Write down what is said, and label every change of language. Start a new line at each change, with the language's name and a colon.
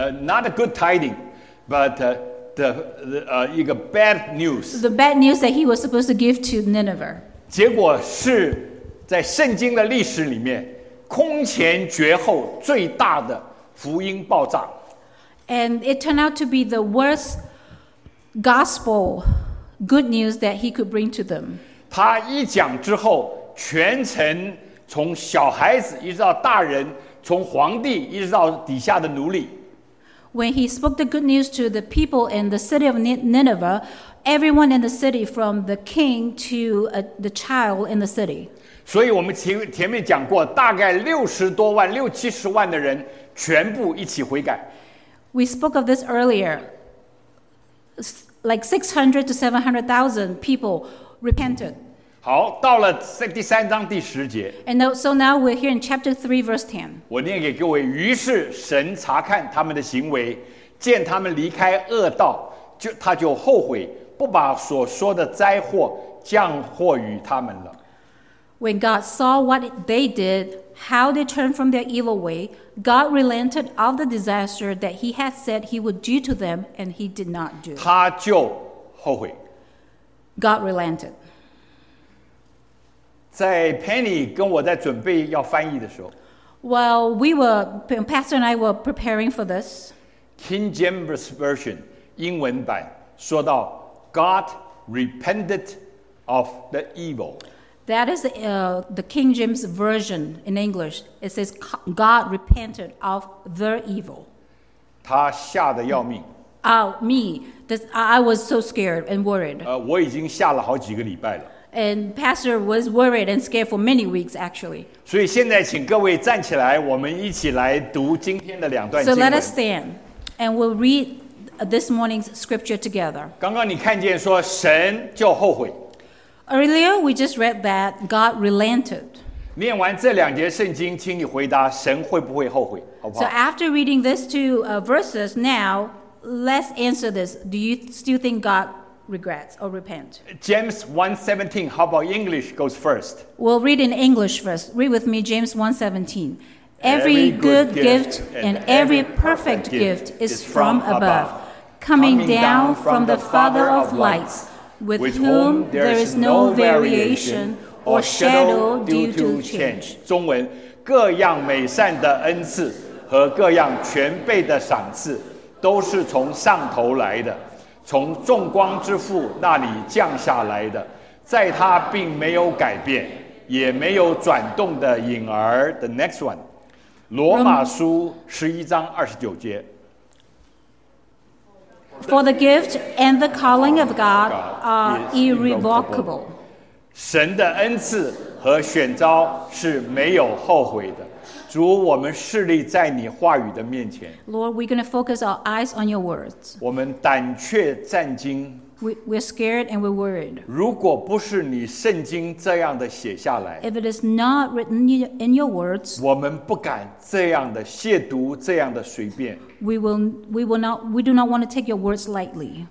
English: Not a good tiding, but the bad news. The bad news that he was supposed to give to Nineveh.
Chinese: 结果是在圣经的历史里面空前绝后最大的福音爆炸。
English: And it turned out to be the worst Gospel, good news that he could bring to them.
Chinese: 他一讲之后，全城从小孩子一直到大人，从皇帝一直到底下的奴隶。
English: When he spoke the good news to the people in the city of Nineveh, everyone in the city, from the king to the child in the city.
Chinese: 所以我们前面讲过，大概60多万、60-70万的人全部一起悔改。
English: We spoke of this earlier. Like 600,000 to 700,000 people repented.
Chinese: 好，到了第三章第十节。
English: And so now we're here in chapter 3, verse 10.
Chinese: 我念给各位。于是神查看他们的行为，见他们离开恶道，他就后悔，不把所说的灾祸降祸于他们了。
English: When God saw what they did, how they turned from their evil way, God relented of the disaster that he had said he would do to them, and he did not do.
Chinese: 他就后悔。
English: God relented.
Chinese: 在 Penny 跟我在准备要翻译的时候，
English: While we were, Pastor and I were preparing for this, King James Version,
Chinese: 英文版，说到
English: God repented of the evil. That is the King James Version in English. It says, God repented of their evil.
Chinese: 他吓得要命。
English: I was so scared and worried.
Chinese: 我已经吓了好几个礼拜了。
English: And Pastor was worried and scared for many weeks, actually.
Chinese: 所以现在请各位站起来，我们一起来读今天的两段经文。
English: So let us stand, and we'll read this morning's scripture together.
Chinese: 刚刚你看见说神就后悔。
English: Earlier, we just read that God relented.
Chinese: 念完这两节圣经，请你回答神会不会后悔，好不好？
English: So after reading these two verses, now let's answer this. Do you still think God regrets or repent? James 1:17. How about English goes first? We'll read in English first. Read with me, James 1:17. Every good gift and every perfect gift is from above, coming down from the Father of lights, with whom there is no variation or shadow due to change.
Chinese: 中文，各样美善的恩赐和各样全备的赏赐，都是从上头来的，从众光之父那里降下来的，在他并没有改变，也没有转动的影儿。
English: The next one, 罗马书11:29. For the gift and the calling of God are irrevocable.
Chinese: 神的恩赐和选召是没有后悔的。主，我们侍立在你话语的面前。
English: Lord, we're going to focus our eyes on your words.
Chinese: 我们胆怯战惊。
English: We're scared and we're worried.
Chinese: 如果不是你圣经这样的写下来，
English: If it is not written in your words,
Chinese: 我们不敢这样的亵渎，这样的随便。
English: We do not want to take your words lightly.